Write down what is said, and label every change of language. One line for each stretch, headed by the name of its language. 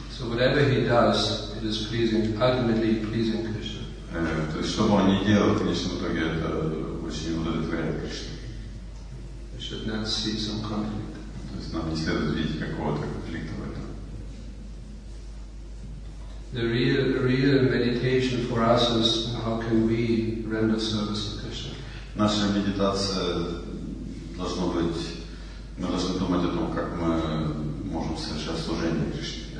English: So whatever he does, it is pleasing, ultimately pleasing Krishna.
Russian: То есть, что бы он ни делал, в конечном итоге это очень удовлетворяет Кришне.
English: We should not see some conflict.
Russian: То есть, нам не следует видеть какого-то конфликта в этом.
English: The real meditation for us is how can we render service to Krishna.
Russian: Наша медитация должна быть, мы должны думать о том, как мы можем совершать служение Кришне.